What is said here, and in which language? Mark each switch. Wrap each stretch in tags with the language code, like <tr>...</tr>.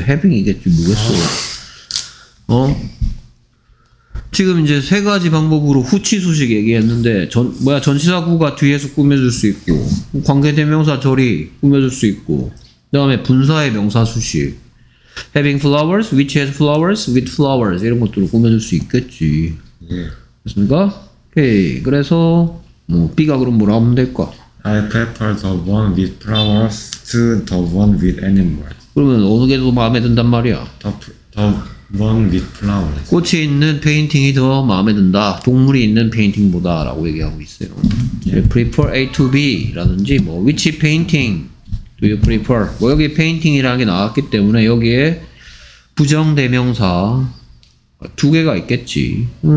<ko>having 이겠지 뭐겠어? 어? 지금 이제 세 가지 방법으로 후치수식 얘기했는데 전치사구가 뒤에서 꾸며줄 수 있고 관계대명사 절이 꾸며줄 수 있고 그 다음에 분사의 명사수식</ko> <en>having flowers, which has flowers, with flowers</en> <ko>이런 것들을 꾸며줄 수 있겠지. 예. 됐습니까? 오케이 그래서 뭐 B가 그럼 뭐라고 하면 될까?</ko> <en>I prefer the one with flowers to the one with animals.</en> <ko>그러면 어느 게 더 마음에 든단 말이야?</ko> <en>One with flowers.</en> <ko>꽃이 있는 페인팅이 더 마음에 든다. 동물이 있는 페인팅보다 라고 얘기하고 있어요.</ko> <en>Yeah. Prefer A to B</en> <ko>라든지 뭐</ko> <en>which painting do you prefer?</en> <ko>뭐 여기 페인팅이라는 게 나왔기 때문에 여기에 부정대명사 두 개가 있겠지.</ko>